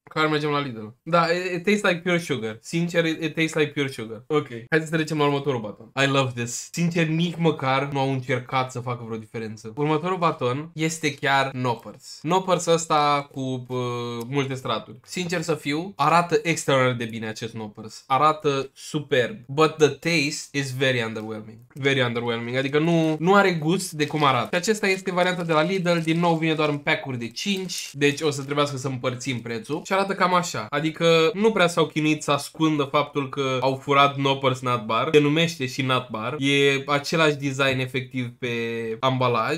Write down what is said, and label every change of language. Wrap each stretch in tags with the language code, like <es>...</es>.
<en>Clar mergem la Lidl. Da, it tastes like pure sugar. Sincer, it tastes like pure sugar. Ok.</en> <ro>Hai să trecem la următorul baton. I love this. Sincer, nici măcar nu au încercat să facă vreo diferență. Următorul baton este chiar Knoppers. Knoppers ăsta cu multe straturi. Sincer să fiu, arată extraordinar de bine acest Knoppers. Arată superb.</ro> <en>But the taste is very underwhelming. Very underwhelming.</en> <ro>Adică nu are gust de cum arată. Și acesta este varianta de la Lidl. Din nou vine doar în pack-uri de 5. Deci o să trebuiască să împărțim țin prețul și arată cam așa. Adică nu prea s-au chinuit să ascundă faptul că au furat Knoppers Nut Bar. Se numește și Nut Bar. E același design efectiv pe ambalaj.</ro>